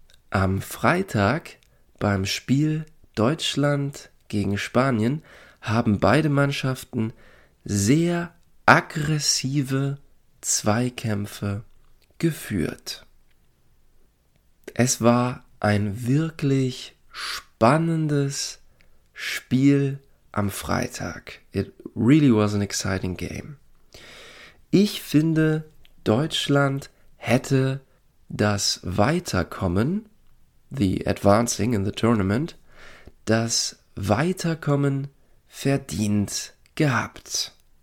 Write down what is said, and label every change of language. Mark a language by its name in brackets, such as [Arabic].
[German] Am Freitag beim Spiel Deutschland gegen Spanien haben beide Mannschaften sehr aggressive Zweikämpfe geführt. Es war ein wirklich spannendes Spiel am Freitag. [English] It really was an exciting game. [German] Ich finde, Deutschland hätte das Weiterkommen, [English] the advancing in the tournament, [German] das Weiterkommen verdient gehabt.